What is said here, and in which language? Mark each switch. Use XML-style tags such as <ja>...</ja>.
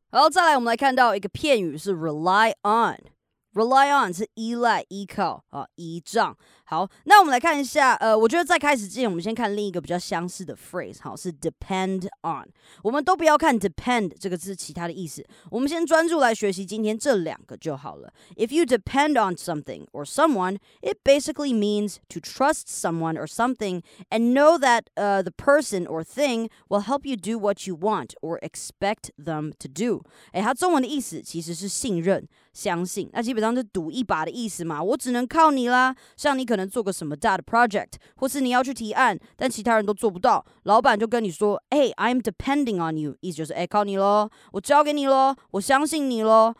<zh>好，再来我们来看到一个片语是 rely on。Rely on 是依赖、依靠、依仗。好，那我们来看一下，我觉得在开始之前，我们先看另一个比较相似的 phrase， 好，是 depend on。我们都不要看 depend 这个字其他的意思，我们先专注来学习今天这两个就好了。</zh> <en>If you depend on something or someone, it basically means to trust someone or something and know that the person or thing will help you do what you want or expect them to do。</en> <zh>哎，它中文的意思其实是信任、相信。那基本上是赌一把的意思嘛，我只能靠你啦。像你可能做个什么大的 project， 或是你要去提案，但其他人都做不到，老板就跟你说：“哎、</zh> <en>hey, ，I'm depending on you。”</en> <zh>意思就是哎，靠你咯，我交给你咯，我相信你咯。</zh>